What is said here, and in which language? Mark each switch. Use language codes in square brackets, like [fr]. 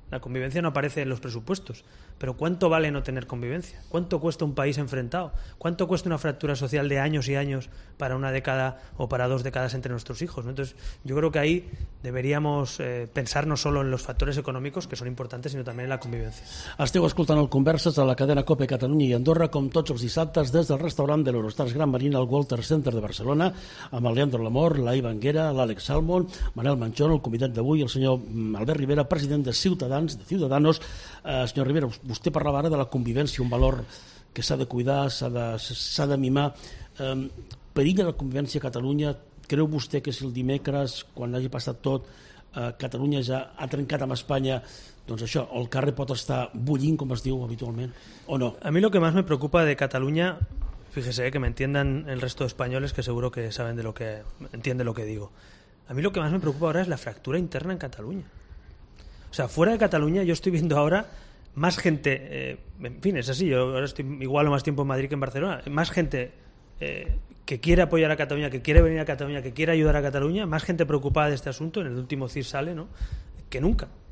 [es] La convivencia no aparece en los presupuestos. Pero ¿cuánto vale no tener convivencia? ¿Cuánto cuesta un país enfrentado? ¿Cuánto cuesta una fractura social de años y años para una década o para dos décadas entre nuestros hijos, ¿no? Entonces, yo creo que ahí deberíamos pensar no solo en los factores económicos, que son importantes, sino también en la convivencia. [ca] Esteu escoltant el Converses a la cadena COPE Catalunya i Andorra, com tots els dissabtes, des del restaurant de l'Eurostars Gran Marina al Walter Center de Barcelona, amb el Leandro Lamor, la Iva Anguera, l'Àlex Salmon, Manel Manchón, el convidat d'avui, el senyor Albert Rivera, president de Ciutadans, de Ciudadanos. Senyor Rivera, vostè parlava ara de la convivència, un valor que s'ha de cuidar, s'ha de mimar. Perilla la convivència a Catalunya? Creu vostè que si el dimecres, quan hagi passat tot, Catalunya ja ha trencat amb Espanya, doncs això, el carrer pot estar bullint, com es diu habitualment, o no? [es] A mi lo que más me preocupa de Catalunya, fíjese, que me entiendan el resto de españoles, que seguro que saben de lo que entiende lo que digo. A mí lo que más me preocupa ahora es la fractura interna en Cataluña. O sea, fuera de Cataluña yo estoy viendo ahora más gente, en fin, es así, yo ahora estoy igual o más tiempo en Madrid que en Barcelona, más gente que quiere apoyar a Cataluña, que quiere venir a Cataluña, que quiere ayudar a Cataluña, más gente preocupada de este asunto, en el último CIR sale, ¿no?, que nunca.